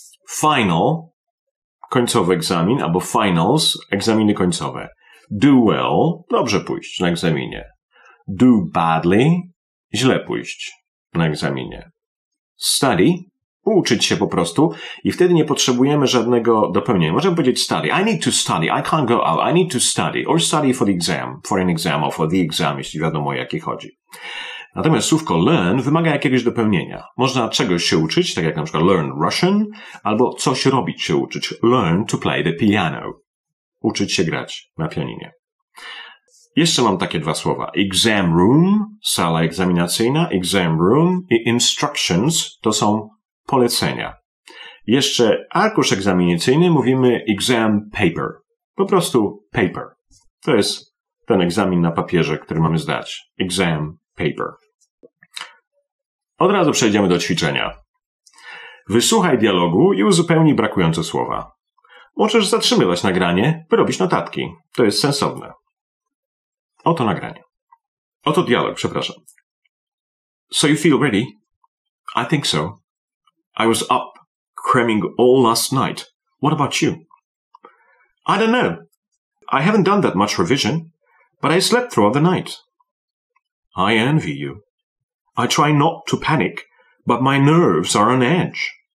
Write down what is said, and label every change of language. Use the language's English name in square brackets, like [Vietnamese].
[Polish] Final, końcowy egzamin, albo finals, egzaminy końcowe. [English] Do well, [Polish] dobrze pójść na egzaminie. [English] Do badly, [Polish] źle pójść na egzaminie. Study, uczyć się po prostu i wtedy nie potrzebujemy żadnego dopełnienia. Możemy powiedzieć study. [English] I need to study, I can't go out, I need to study. Or study for the exam, for an exam, or for the exam, [Polish] jeśli wiadomo, o jaki chodzi. Natomiast słówko learn wymaga jakiegoś dopełnienia. Można czegoś się uczyć, tak jak na przykład [English] learn Russian, [Polish] albo coś robić się uczyć. [English] Learn to play the piano. [Polish] Uczyć się grać na pianinie. Jeszcze mam takie dwa słowa. Exam room, sala egzaminacyjna, exam room i instructions to są polecenia. Jeszcze arkusz egzaminacyjny mówimy exam paper. Po prostu paper. To jest ten egzamin na papierze, który mamy zdać. Exam paper. Od razu przejdziemy do ćwiczenia. Wysłuchaj dialogu i uzupełnij brakujące słowa. Możesz zatrzymywać nagranie, by robić notatki. To jest sensowne. Oto nagranie. Oto dialog, przepraszam. [English] So you feel ready? I think so. I was up, cramming all last night. What about you? I don't know. I haven't done that much revision, but I slept throughout the night. I envy you. I try not to panic, but my nerves are on edge.